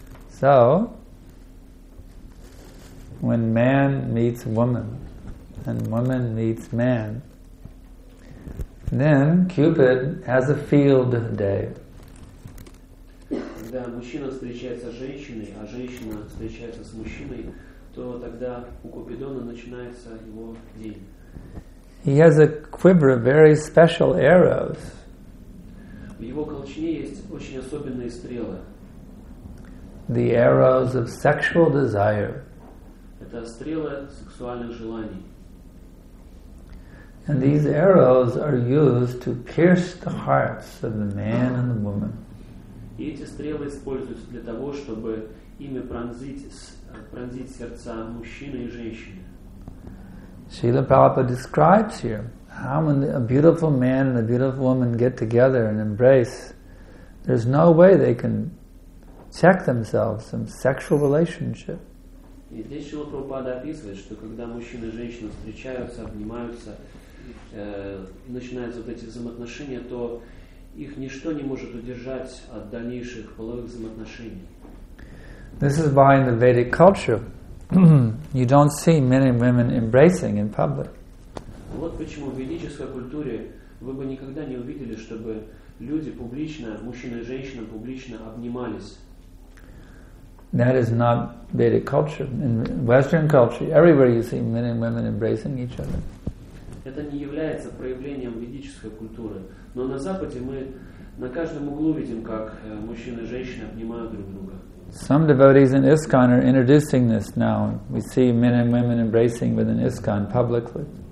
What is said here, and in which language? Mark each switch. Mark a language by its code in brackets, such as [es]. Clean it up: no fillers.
[en] So, when man meets woman, and woman meets man, then Cupid has a field day. [ru] когда мужчина встречается с женщиной, а женщина встречается с мужчиной, то тогда у Купидона начинается его день. [en] He has a quiver of very special arrows. [ru] В его колчане есть очень особенные стрелы. [en] The arrows of sexual desire. [ru] Это стрелы сексуальных желаний. [en] And these arrows are used to pierce the hearts of the man and the woman. [ru] И эти стрелы используются для того, чтобы ими пронзить сердца мужчины и женщины. [en] Srila Prabhupada describes here how when a beautiful man and a beautiful woman get together and embrace, there's no way they can check themselves from sexual relationship. [ru] И здесь Srila Prabhupada описывает, что когда мужчина и женщина встречаются, обнимаются, начинаются вот эти взаимоотношения, то их ничто не может удержать от дальнейших половых взаимоотношений. [en] This is why in the Vedic culture you don't see men and women embracing in public. [ru] Вот почему в ведической культуре вы бы никогда не увидели, чтобы люди публично, мужчина и женщина публично обнимались. [en] That is not Vedic culture. In Western culture, everywhere you see men and women embracing each other. [ru] Это не является проявлением ведической культуры. Но на Западе мы на каждом углу видим, как мужчины и женщины обнимают друг друга. [en] Some devotees in ISKCON are introducing this now. We see men and women embracing within ISKCON publicly.